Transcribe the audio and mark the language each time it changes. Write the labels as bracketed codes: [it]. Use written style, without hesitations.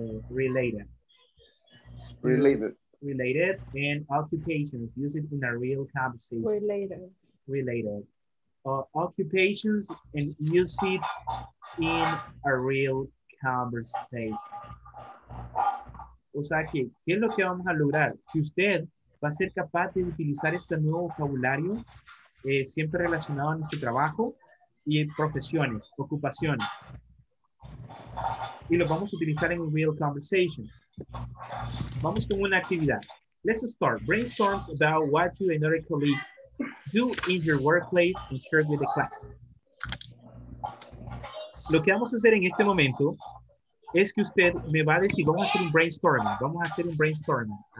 [en] Related and occupations. Use it in a real conversation. Related. Occupations and use it in a real conversation. [es] O sea que, ¿qué es lo que vamos a lograr? Que usted va a ser capaz de utilizar este nuevo vocabulario siempre relacionado a nuestro trabajo y profesiones, ocupaciones. Y lo vamos a utilizar en [en] real conversation. [es] Vamos con una actividad. [en] Let's start. Brainstorm about what you and other colleagues do in your workplace and share with the class. [es] Lo que vamos a hacer en este momento es que usted me va a decir, vamos a hacer un brainstorming.